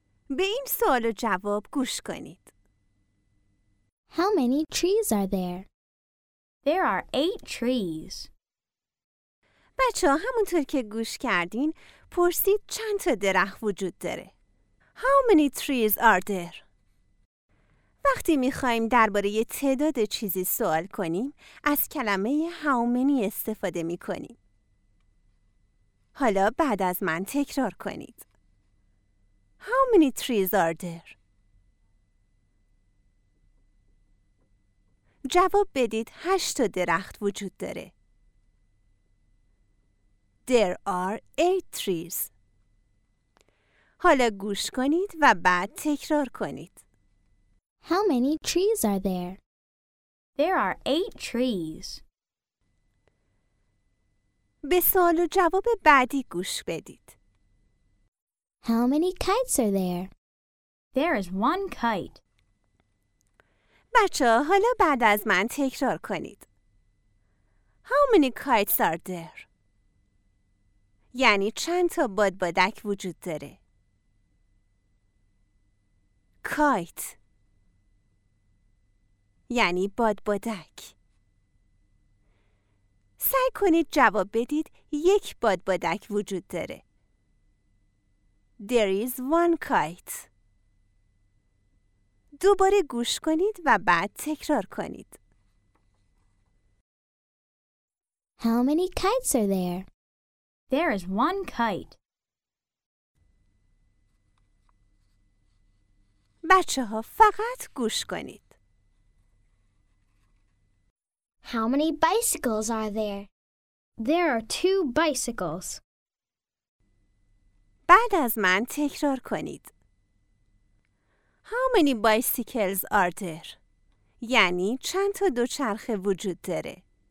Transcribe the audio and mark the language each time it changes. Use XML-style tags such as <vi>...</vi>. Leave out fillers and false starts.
<fa>به این سوال و جواب گوش کنید.</fa> <en>How many trees are there? There are eight trees.</en> <fa>بچه ها همونطور که گوش کردین پرسید چند تا درخت وجود داره.</fa> <en>How many trees are there?</en> <fa>وقتی میخواییم درباره یه تعداد چیزی سوال کنیم از کلمه</fa> <en>how many</en> <fa>استفاده میکنیم. حالا بعد از من تکرار کنید.</fa> <en>How many trees are there?</en> <fa>جواب بدید 8 درخت وجود داره.</fa> <en>There are 8 trees.</en> <fa>حالا گوش کنید و بعد تکرار کنید.</fa> <en>How many trees are there? There are 8 trees.</en> <fa>به سوال و جواب بعدی گوش بدید.</fa> <en>How many kites are there? There is one kite.</en> <fa>بچه ها حالا بعد از من تکرار کنید.</fa> <en>How many kites are there?</en> <fa>یعنی چند تا بادبادک وجود داره. Kite یعنی بادبادک. سعی کنید جواب بدید یک بادبادک وجود داره.</fa> <en>There is one kite.</en> <fa>دوباره گوش کنید و بعد تکرار کنید.</fa> <en>How many kites are there? There is one kite.</en> <fa>بچه ها فقط گوش کنید.</fa> <en>How many bicycles are there? There are two bicycles.</en> <fa>بعد از من تکرار کنید.</fa> <en>How many bicycles are there?</en> <fa>یعنی چند تا دوچرخه وجود داره.</fa>